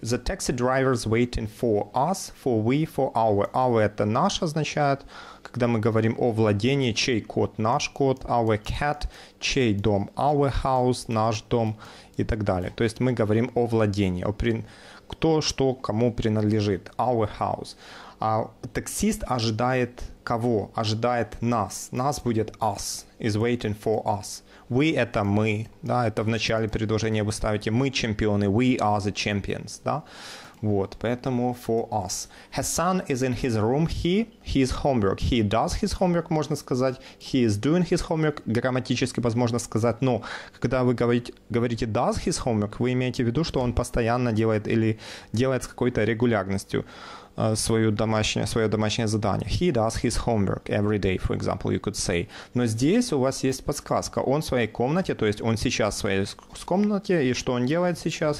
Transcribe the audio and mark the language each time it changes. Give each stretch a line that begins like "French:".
English: The taxi driver's waiting for us, for we, for our.
Russian: Our — это наш, означает, когда мы говорим о владении, чей кот — наш кот,
English: our cat
Russian: — чей дом,
English: our house
Russian: — наш дом и так далее. То есть мы говорим о владении, о кто что кому принадлежит,
English: our house.
Russian: А таксист ожидает кого? Ожидает нас. Нас будет us,
English: is waiting for us.
Russian: We — это мы, да, это в начале предложения вы ставите, мы чемпионы,
English: we are the champions,
Russian: да. Вот, поэтому
English: for us. Hassan is in his room, his homework. He does his homework,
Russian: можно сказать.
English: He is doing his homework,
Russian: грамматически возможно сказать. Но когда вы говорите does his homework, вы имеете в виду, что он постоянно делает или делает с какой-то регулярностью свое домашнее задание.
English: He does his homework every day, for example, you could say.
Russian: Но здесь у вас есть подсказка. Он в своей комнате, то есть он сейчас в своей комнате, и что он делает сейчас?